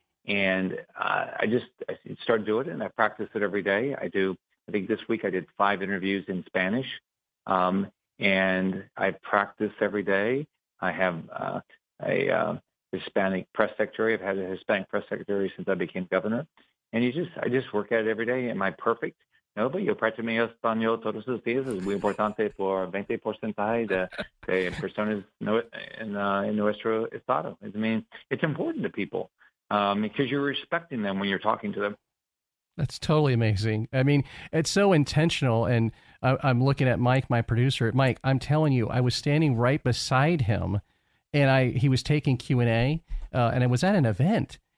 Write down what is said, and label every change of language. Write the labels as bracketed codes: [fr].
[en] And I started doing it and I practice it every day. I think this week I did 5 interviews in Spanish, and I practice every day. I have a Hispanic press secretary. I've had a Hispanic press secretary since I became governor. And I just work at it every day. Am I perfect? No, but [es] yo practico español todos los días. Es muy importante por 20% de personas en nuestro estado. [en] I mean, it's important to people because you're respecting them when you're talking to them. That's totally amazing. I mean, it's so intentional. And I'm looking at Mike, my producer. Mike, I'm telling you, I was standing right beside him, and he was taking Q&A, and I was at an event.